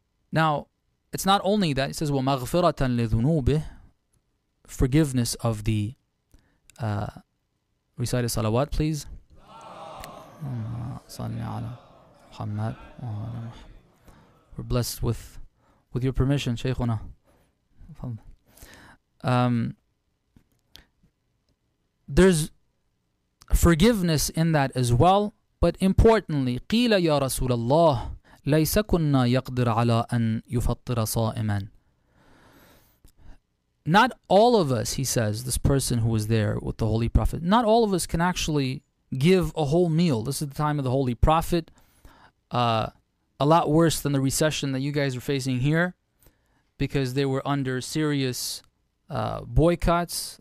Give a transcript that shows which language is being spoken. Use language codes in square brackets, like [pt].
[en] Now, it's not only that. It says, [ar] وَمَغْفِرَةً لِذُنُوبِهِ, [en] forgiveness of the... recite a salawat, please. [ar] صَلِّ عَلَى مُحَمَّدٍ. [en] We're blessed with... with your permission, Shaykhuna. There's forgiveness in that as well, but importantly, [ar] قِيلَ يَا رَسُولَ اللَّهِ لَيْسَ كُنَّا يَقْدِرْ عَلَىٰ أَنْ يُفَطِّرَ صَائِمًا. [en] Not all of us, he says, this person who was there with the Holy Prophet, not all of us can actually give a whole meal. This is the time of the Holy Prophet. A lot worse than the recession that you guys are facing here, because they were under serious boycotts.